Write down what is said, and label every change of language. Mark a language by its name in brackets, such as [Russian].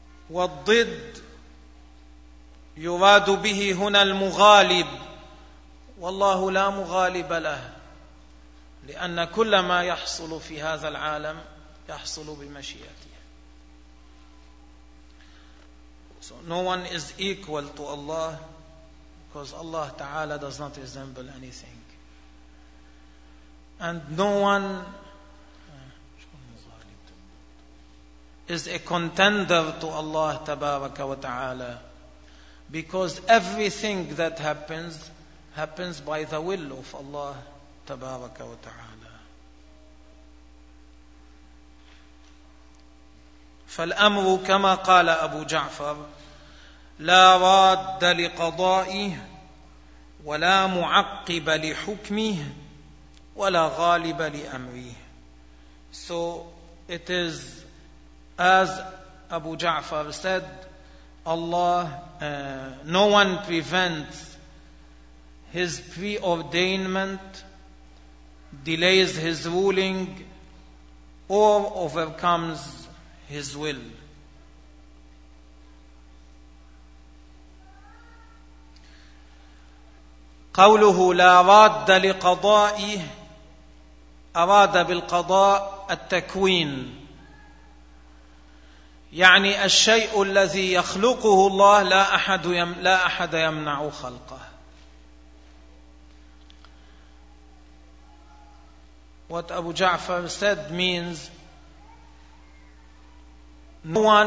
[Arabic] والضد يراد به هنا المغالب، والله لا مغالب له، لأن كل ما يحصل في هذا العالم يحصل بمشيئته. [English] So no one is equal to Allah because Allah Ta'ala does not resemble anything. And no one is a contender to Allah Tabaraka wa Ta'ala because everything that happens happens by the will of Allah [Arabic] تبارك وتعالى. فالأمر كما قال أبو جعفر لا راد لقضائه ولا معقب لحكمه ولا غالب لأمره. [English] So it is as Abu Ja'far said, Allah, no one prevents his preordainment, delays his ruling, or overcomes his will. [Arabic] قوله لا راد لقضائه أراد بالقضاء التكوين يعني الشيء الذي يخلقه الله لا أحد يمنع خلقه. [English] What Abu Ja'far said means no